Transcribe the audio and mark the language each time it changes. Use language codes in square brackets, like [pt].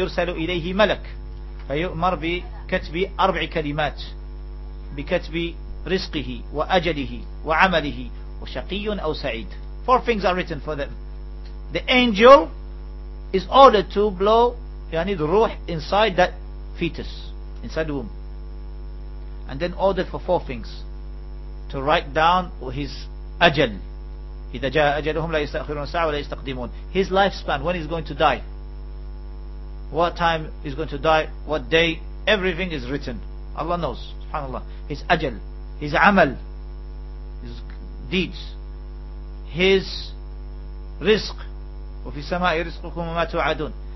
[ar] إليه ملك فيؤمر بكتب 4 كلمات بكتب رزقه وأجله وعمله وشقي أو سعيد. [en] 4 things are written for them. The angel is ordered to blow the ruh inside that fetus, inside the womb, and then ordered for 4 things to write down his ajal. [ar] إذا جاء أجلهم لا يستأخرون ساعة ولا يستقدمون. [en] His lifespan, when he's going to die, what time he's going to die, what day, everything is written. Allah knows, subhanAllah. His ajal, his amal, his deeds, his rizq, [ar] وفي السماء رزقكم وما توعدون.